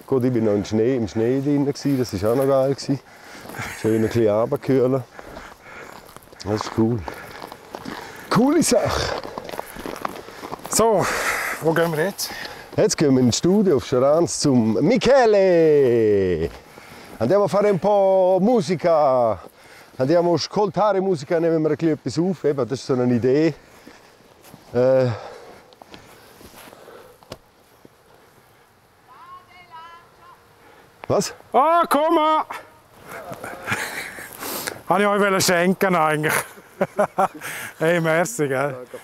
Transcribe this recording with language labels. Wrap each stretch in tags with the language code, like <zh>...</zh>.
<de>Gut, ich war noch im Schnee drin, das war auch noch geil. Schön ein bisschen runterkühlen. Das ist cool. Coole Sache. So, wo gehen wir jetzt? Jetzt gehen wir ins Studio auf Scharanz zum Michele.</de> <it>Andiamo a fare un po' musica. Andiamo a ascoltare musica,</it> <de>nehmen wir ein bisschen auf. Eben, das ist so eine Idee. Was? Ah, oh, komm! Habe ich euch wollen schenken eigentlich. Hey, merci, gell?</de>